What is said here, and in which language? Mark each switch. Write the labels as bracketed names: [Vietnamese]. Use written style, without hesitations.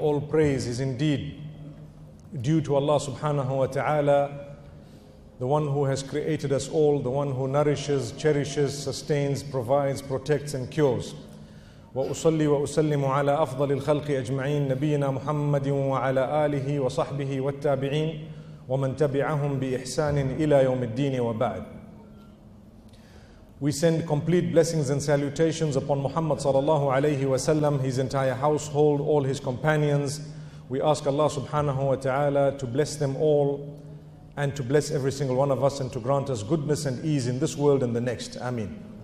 [English] All praise is indeed due to Allah subhanahu wa ta'ala, the one who has created us all, the one who nourishes, cherishes, sustains, provides, protects and cures. [Arabic] وأصلي وأسلم على أفضل الخلق أجمعين نبينا محمد وعلى آله وصحبه والتابعين ومن تبعهم بإحسان إلى يوم الدين وبعد. [English] We send complete blessings and salutations upon Muhammad sallallahu alayhi wa sallam, his entire household, all his companions. We ask Allah subhanahu wa ta'ala to bless them all and to bless every single one of us and to grant us goodness and ease in this world and the next. Ameen.